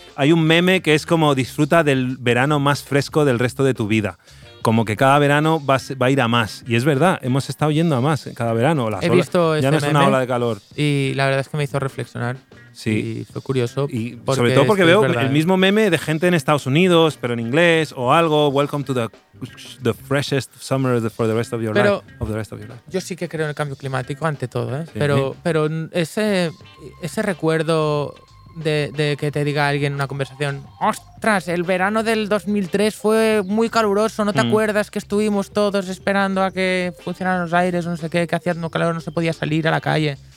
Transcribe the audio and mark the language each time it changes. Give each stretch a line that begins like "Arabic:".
Spanish: Hay un meme que es como disfruta del verano más fresco del resto de tu vida. Como que cada verano va a ir a más. Y es verdad, hemos estado yendo a más cada verano. He visto ese meme. Ya no es una ola de calor. Y la verdad es que me hizo reflexionar. Sí. Y fue curioso. Y sobre todo porque veo el mismo meme de gente en Estados Unidos, pero en inglés, o algo.
English: Welcome to the freshest summer for the rest of your life.
Spanish: Yo sí que creo en el cambio climático, ante todo, ¿eh? Sí. Pero ese recuerdo de que te diga alguien en una conversación, ostras, el verano del 2003 fue muy caluroso, ¿no te acuerdas que estuvimos todos esperando a que funcionaran los aires, no sé qué, que hacía calor, no se podía salir a la calle?